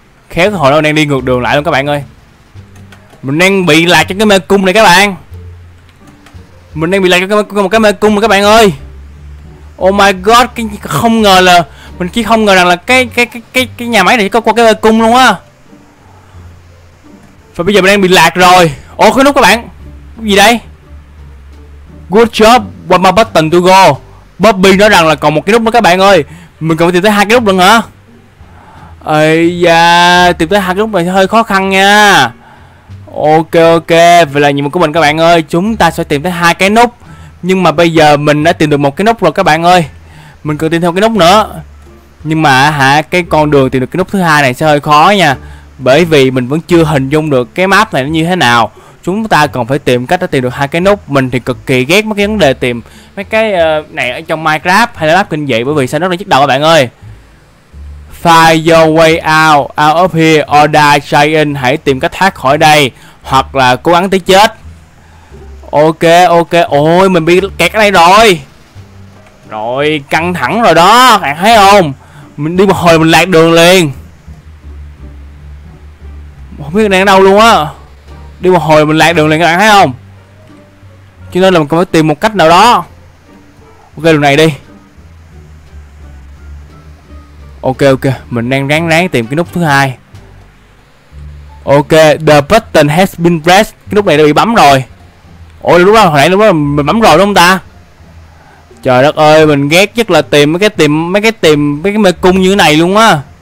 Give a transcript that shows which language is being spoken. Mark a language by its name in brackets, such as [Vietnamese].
[Vietnamese] Khéo hồi nó đang đi ngược đường lại luôn các bạn ơi. Mình đang bị lạc trong cái mê cung này các bạn. Mình đang bị lạc trong cái mê cung này các bạn ơi. [English] Oh my god, [Vietnamese] không ngờ là mình chỉ không ngờ rằng là cái nhà máy này có qua cái mê cung luôn á. Và bây giờ mình đang bị lạc rồi. Ồ, cái nút các bạn. Cái gì đây? [English] Good job, one more button to go. [Vietnamese] Bobby nói rằng là còn một cái nút nữa các bạn ơi. Mình còn phải tìm tới hai cái nút nữa hả? Ây da, tìm tới hai cái nút này hơi khó khăn nha. Ok ok, vậy là nhiệm vụ của mình các bạn ơi. Chúng ta sẽ tìm tới hai cái nút. Nhưng mà bây giờ mình đã tìm được một cái nút rồi các bạn ơi. Mình cần tìm thêm cái nút nữa. Nhưng mà hả, cái con đường tìm được cái nút thứ hai này sẽ hơi khó nha. Bởi vì mình vẫn chưa hình dung được cái map này nó như thế nào. Chúng ta còn phải tìm cách để tìm được hai cái nút. Mình thì cực kỳ ghét mấy cái vấn đề tìm mấy cái này ở trong Minecraft hay là map kinh dị. Bởi vì sao nó lại chích đầu các bạn ơi. [English] Find your way out of here or die trying. [Vietnamese] Hãy tìm cách thoát khỏi đây hoặc là cố gắng tới chết. Ok ok, ôi mình bị kẹt ở đây rồi. Rồi căng thẳng rồi đó, bạn thấy không? Mình đi một hồi mình lạc đường liền. Không biết đang ở đâu luôn á. Đi một hồi mình lạc đường liền các bạn thấy không? Cho nên là mình cần phải tìm một cách nào đó. Ok đường này đi. Ok ok, mình đang ráng tìm cái nút thứ hai. [English] Ok, the button has been pressed. [Vietnamese] Cái nút này đã bị bấm rồi. Ôi lúc đó hồi nãy lúc đó mình bấm rồi đúng không ta? Trời đất ơi, mình ghét nhất là tìm mấy cái mê cung như thế này luôn á.